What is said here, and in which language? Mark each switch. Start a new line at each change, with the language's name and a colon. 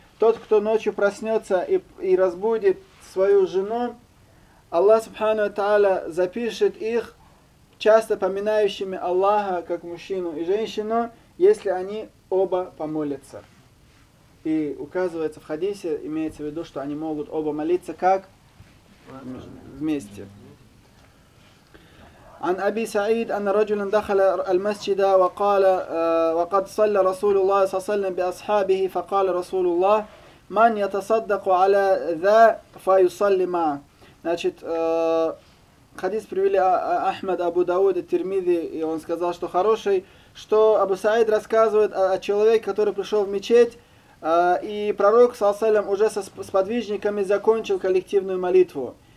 Russian: Тот, кто ночью проснется и разбудит свою жену, Аллах Субхану ва Тааля запишет их часто поминающими Аллаха как мужчину и женщину, если они оба помолятся. И указывается в хадисе, имеется в виду, что они могут оба молиться как? Вместе.
Arabic: عن أبي سعيد أن رجلا دخل المسجد وقال وقد صلى رسول الله صلى الله عليه وسلم بأصحابه فقال رسول الله من يتصدق على ذا فيصلي معه.
Russian: Значит, хадис привели Ахмад, Абу Дауд и Тирмизи, и он сказал, что хороший, что Абу Саид рассказывает о человеке, который пришел в мечеть, и пророк, салям, уже с подвижниками закончил коллективную молитву.